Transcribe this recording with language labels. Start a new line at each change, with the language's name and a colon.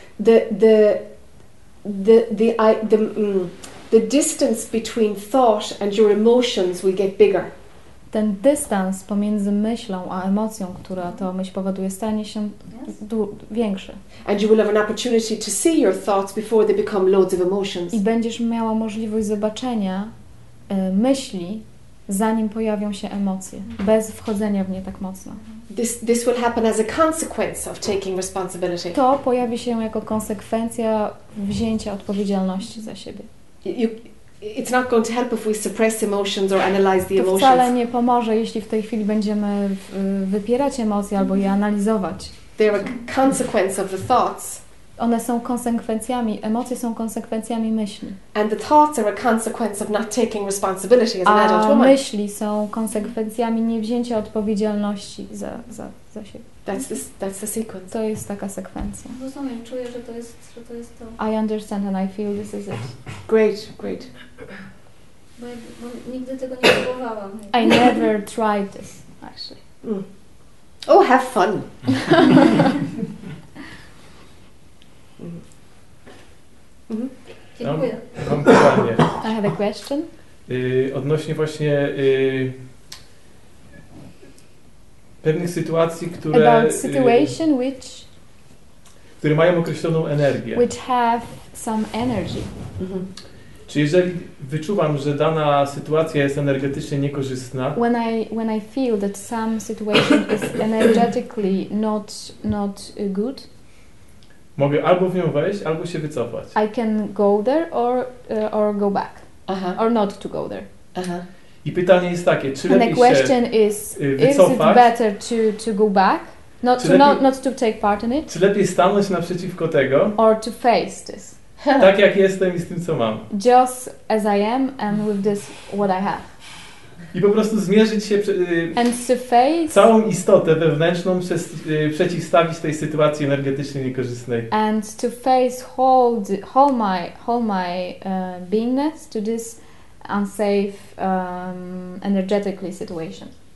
English: The distance between thought and your emotions will get bigger.
Polish: Ten dystans pomiędzy myślą a emocją, która to myśl powoduje, stanie się większy.
English: And you will have an opportunity to see your thoughts before they become loads of emotions.
Polish: I będziesz miała możliwość zobaczenia myśli, zanim pojawią się emocje, bez wchodzenia w nie tak mocno.
English: This will happen as a consequence of taking responsibility.
Polish: To pojawi się jako konsekwencja wzięcia odpowiedzialności za siebie.
English: It's not going to help if we suppress emotions or analyze the emotions.
Polish: To wcale nie pomoże, jeśli w tej chwili będziemy wypierać emocje albo je analizować.
English: They are a consequence of the thoughts.
Polish: One są konsekwencjami, emocje są konsekwencjami myśli.
English: And the thoughts are a consequence of not taking responsibility as an adult woman.
Polish: A myśli są konsekwencjami niewzięcia odpowiedzialności za siebie.
English: That's the sequence.
Polish: To jest taka sekwencja. Rozumiem, czuję, że to jest to.
English: I understand and I feel this is it. Great.
Polish: Bo nigdy tego nie próbowałam.
English: I never tried this, actually. Oh, have fun!
Polish: Mam pytanie.
English: I have a question.
Polish: Odnośnie właśnie pewnych sytuacji, które...
English: About situation which...
Polish: Które mają określoną energię.
English: Which have some energy.
Polish: Czyli jeżeli wyczuwam, że dana sytuacja jest energetycznie niekorzystna.
English: When I feel that some situation is energetically not good.
Polish: Mogę albo w nią wejść, albo się wycofać.
English: I can go there or go back. Uh-huh. Or not to go there. Uh-huh.
Polish: I pytanie jest takie, czy lepiej się wycofać?
English: Is it better to go back? Not to take part in it.
Polish: Czy lepiej stanąć naprzeciwko tego?
English: Or to face this.
Polish: Tak jak jestem i z tym, co mam.
English: Just as I am and with this what I have.
Polish: I po prostu zmierzyć się
English: and to face
Polish: całą istotę wewnętrzną przeciwstawić tej sytuacji energetycznie niekorzystnej.
English: And to face whole my beingness to this unsafe energetically situation.